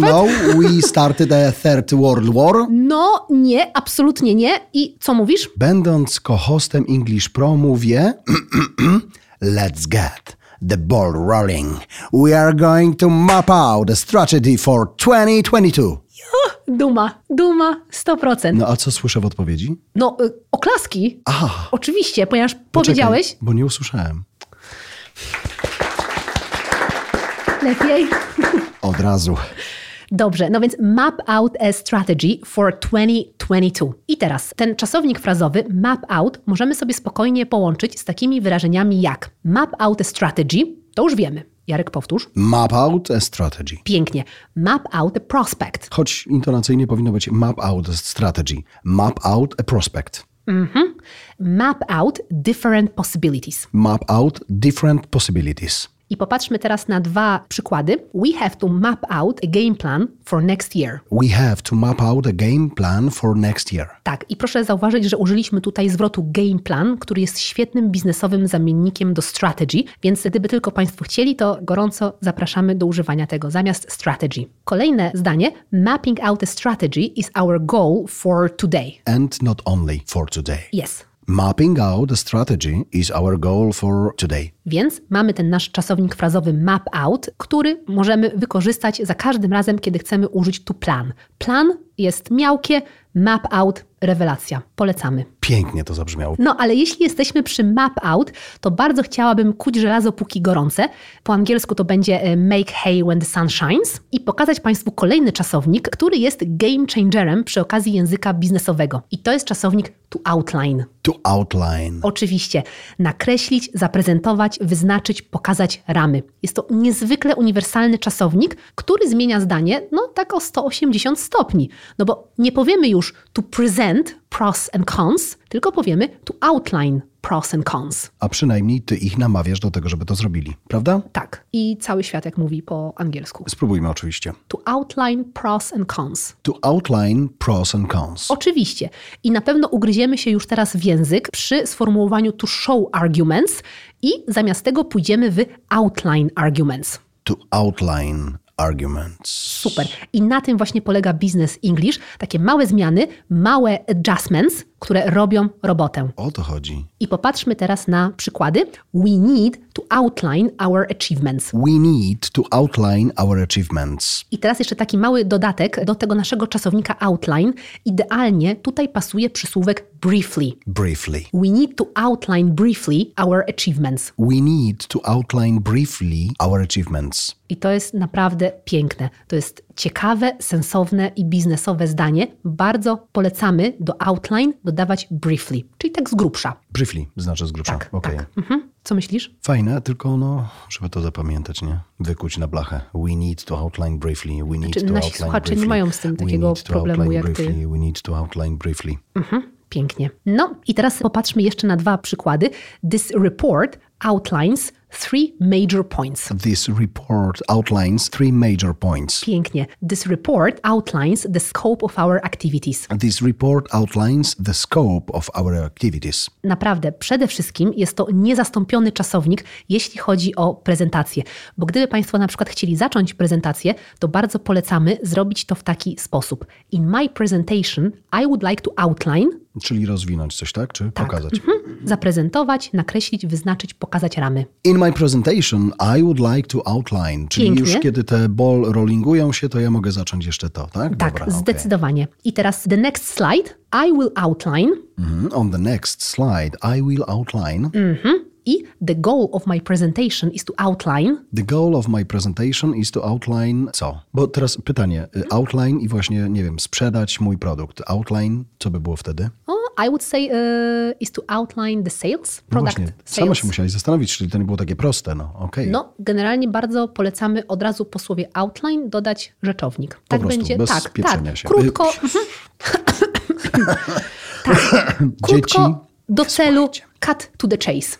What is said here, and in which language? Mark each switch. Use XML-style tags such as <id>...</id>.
<en>You know, we started a third world war.</en> <pl>No, nie, absolutnie nie. I co mówisz? Będąc co-hostem English Pro mówię,</pl> <en>let's get the ball rolling. We are going to map out a strategy for 2022.</en> <pl>Duma, 100%. No a co słyszę w odpowiedzi? No, oklaski. Aha. Oczywiście, ponieważ poczekaj, powiedziałeś... bo nie usłyszałem. Lepiej. Od razu. Dobrze, no więc</pl> <en>map out a strategy for 2022.</en> <pl>I teraz ten czasownik frazowy map out możemy sobie spokojnie połączyć z takimi wyrażeniami jak</pl> <en>map out a strategy,</en> <pl>to już wiemy. Jarek, powtórz.</pl> <en>Map out a strategy.</en> <pl>Pięknie.</pl> <en>Map out a prospect.</en> <pl>Choć intonacyjnie powinno być</pl> <en>map out a strategy. Map out a prospect. Mhm. Map out different possibilities. Map out different possibilities.</en> <pl>I popatrzmy teraz na dwa przykłady.</pl> <en>We have to map out a game plan for next year. We have to map out a game plan for next year.</en> <pl>Tak, i proszę zauważyć, że użyliśmy tutaj zwrotu game plan, który jest świetnym biznesowym zamiennikiem do strategy, więc gdyby tylko Państwo chcieli, to gorąco zapraszamy do używania tego zamiast strategy. Kolejne zdanie.</pl> <en>Mapping out a strategy is our goal for today. And not only for today. Yes. Mapping out a strategy is our goal for today.</en> <pl>Więc mamy ten nasz czasownik frazowy map out, który możemy wykorzystać za każdym razem, kiedy chcemy użyć tu plan. Plan jest miałkie, map out rewelacja. Polecamy. Pięknie to zabrzmiało. No, ale jeśli jesteśmy przy map out, to bardzo chciałabym kuć żelazo póki gorące. Po angielsku to będzie</pl> <en>make hay when the sun shines.</en> <pl>I pokazać Państwu kolejny czasownik, który jest game changerem przy okazji języka biznesowego. I to jest czasownik to outline. To outline. Oczywiście. Nakreślić, zaprezentować, wyznaczyć, pokazać ramy. Jest to niezwykle uniwersalny czasownik, który zmienia zdanie, no tak o 180 stopni. No bo nie powiemy już</pl> <en>to present pros and cons,</en> <pl>tylko powiemy</pl> <en>to outline pros and cons.</en> <pl>A przynajmniej ty ich namawiasz do tego, żeby to zrobili, prawda? Tak. I cały świat jak mówi po angielsku. Spróbujmy oczywiście.</pl> <en>To outline pros and cons. To outline pros and cons.</en> <pl>Oczywiście. I na pewno ugryziemy się już teraz w język przy sformułowaniu</pl> <en>to show arguments</en> <pl>i zamiast tego pójdziemy w</pl> <en>outline arguments. To outline arguments.</en> <pl>Super. I na tym właśnie polega Business English. Takie małe zmiany, małe adjustments, które robią robotę. O to chodzi. I popatrzmy teraz na przykłady.</pl> <en>We need to outline our achievements. We need to outline our achievements.</en> <pl>I teraz jeszcze taki mały dodatek do tego naszego czasownika outline. Idealnie tutaj pasuje przysłówek briefly.</pl> <en>Briefly. We need to outline briefly our achievements. We need to outline briefly our achievements.</en> <pl>I to jest naprawdę piękne. To jest ciekawe, sensowne i biznesowe zdanie. Bardzo polecamy do outline dodawać briefly, czyli tak z grubsza. Briefly znaczy z grubsza. Tak, okay. Tak. Mhm. Co myślisz? Fajne, tylko no, trzeba to zapamiętać, nie? Wykuć na blachę.</pl> <en>We need to outline briefly. We need</en> <pl>znaczy, to nasi</pl> <en>outline</en> <pl>słuchacze</pl> <en>briefly.</en> <pl>Nie mają z tym takiego problemu jak</pl> <en>briefly.</en> <pl>Ty.</pl> <en>We need to outline briefly.</en> <pl>Mhm. Pięknie. No i teraz popatrzmy jeszcze na dwa przykłady.</pl> <en>This report outlines 3 major points. This report outlines 3 major points.</en> <pl>Pięknie.</pl> <en>This report outlines the scope of our activities. This report outlines the scope of our activities.</en> <pl>Naprawdę, przede wszystkim jest to niezastąpiony czasownik, jeśli chodzi o prezentację. Bo gdyby Państwo na przykład chcieli zacząć prezentację, to bardzo polecamy zrobić to w taki sposób.</pl> <en>In my presentation, I would like to outline.</en> <pl>Czyli rozwinąć coś, tak? Czy tak. Pokazać? Mm-hmm. Zaprezentować, nakreślić, wyznaczyć, pokazać ramy.</pl> <en>In my presentation, I would like to outline.</en> <pl>Czyli pięknie. Już kiedy te ball rollingują się, to ja mogę zacząć jeszcze to, tak? Tak, dobra, zdecydowanie.</pl> <en>Okay.</en> <pl>I teraz</pl> <en>the next slide, I will outline. Mm-hmm. On the next slide, I will outline. Mm-hmm. I the goal of my presentation is to outline. The goal of my presentation is to outline</en> <pl>co? Bo teraz pytanie, outline i właśnie, nie wiem, sprzedać mój produkt. Outline, co by było wtedy?</pl> <en>I would say is to outline the sales, product.</en> <pl>No właśnie,</pl> <en>sales.</en> <pl>Sama się musiałaś zastanowić, czyli to nie było takie proste, no okej. Okay. No, generalnie bardzo polecamy od razu po słowie outline dodać rzeczownik. Po tak prostu, będzie, bez tak, pieprzenia tak, się. Krótko. Dzieci. Do celu, cut to the chase.</pl>